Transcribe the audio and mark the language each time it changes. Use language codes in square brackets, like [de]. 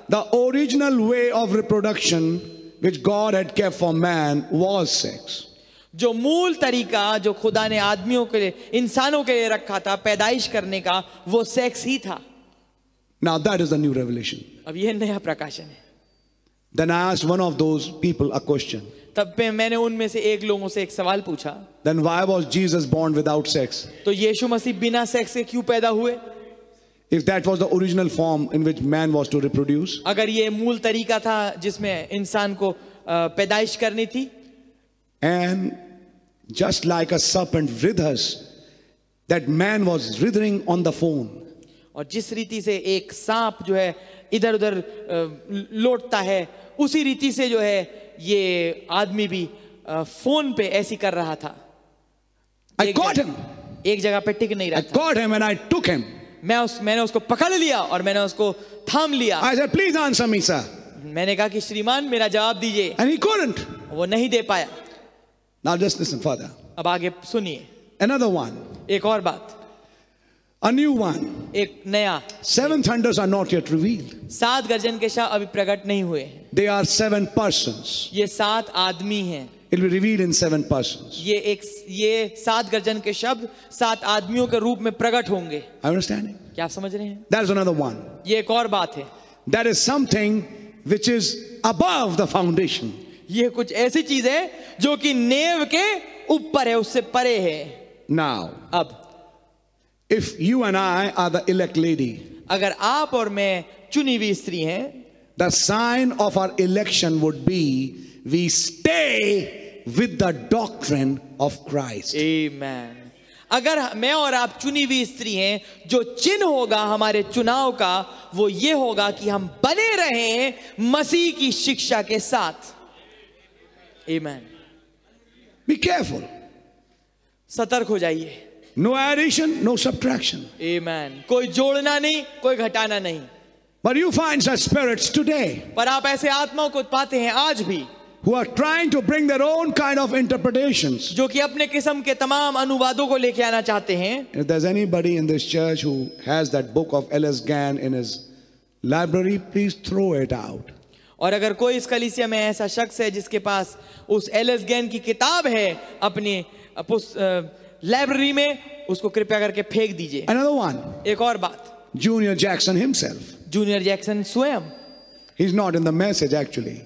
[en] The original way of reproduction which God had kept for man was sex. [hi] जो मूल तरीका जो खुदा ने आदमियों के लिए इंसानों के लिए रखा था पैदाइश करने का वो सेक्स ही था. [en] Now that is the new revelation. [hi] अब ये नया प्रकाशन है. [en] Then I asked one of those people a question. [hi] तब मैंने उनमें से एक लोगों से एक सवाल पूछा. [en] Then why was Jesus born without sex? [hi] तो यीशु मसीह बिना सेक्स के क्यों पैदा हुए? [en] If that was the original form in which man was to reproduce. [hi] अगर ये मूल तरीका था जिसमें इंसान को पैदाइश करनी थी. [en] And just like a serpent writhes, that man was writhing on the phone. [hi] और जिस रीति से एक सांप जो है इधर उधर लौटता है उसी रीति से जो है ये आदमी भी फोन पे ऐसी कर रहा था. [en] I caught him. [hi] एक जगह पे टिक नहीं रहा था. [en] I caught him and I took him. [hi] मैंने उसको पकड़ लिया और मैंने उसको थाम लिया. [en] I said, "Please answer me, sir." [hi] मैंने कहा कि श्रीमान मेरा जवाब दीजिए. [en] And he couldn't. [hi] वो नहीं दे पाया. [en] Now just listen, Father. [hi] अब आगे सुनिए. [en] Another one. [hi] एक और बात. [en] A new one. [hi] एक नया. [en] Seven thunders are not yet revealed. [hi] सात गर्जन के शब्द अभी प्रकट नहीं हुए. [en] They are seven persons. [hi] ये सात आदमी हैं. [en] It'll be revealed in seven persons. [hi] ये सात गर्जन के शब्द सात आदमियों के रूप में प्रकट होंगे. [en] I understand. [hi] क्या आप समझ रहे हैं? [en] That is another one. [hi] ये एक और बात है. [en] That is something which is above the foundation. [hi] ये कुछ ऐसी चीज है जो कि नेव के ऊपर है, उससे परे है. [en] Now. [hi] अब. [en] If you and I are the elect lady, [hi] अगर आप और मैं चुनी हुई स्त्री हैं, [en] the sign of our election would be we stay with the doctrine of Christ. Amen. [hi] अगर मैं और आप चुनी हुई स्त्री हैं, जो चिन्ह होगा हमारे चुनाव का, वो ये होगा कि हम बने रहें मसीह की शिक्षा के साथ. [en] Amen. Be careful. [hi] सतर्क हो जाइए. [en] No addition, no subtraction. Amen. [hi] कोई जोड़ना नहीं, कोई घटाना नहीं. [en] But you find such spirits today. [hi] पर आप ऐसे आत्माओं को पाते हैं आज भी. [en] Who are trying to bring their own kind of interpretations. [hi] जो कि अपने किस्म के तमाम अनुवादों को लेके आना चाहते हैं. [en] If there's anybody in this church who has that book of L.S. Gann in his library, please throw it out. [hi] और अगर कोई इस कलीसिया में ऐसा शख्स है जिसके पास उस L.S. Gann की किताब है अपने लाइब्रेरी में, उसको कृपया करके फेंक दीजिए. [en] Another one. [hi] एक और बात. [en] Junior Jackson himself. [hi] Junior Jackson स्वयं. [en] He is not in the message actually.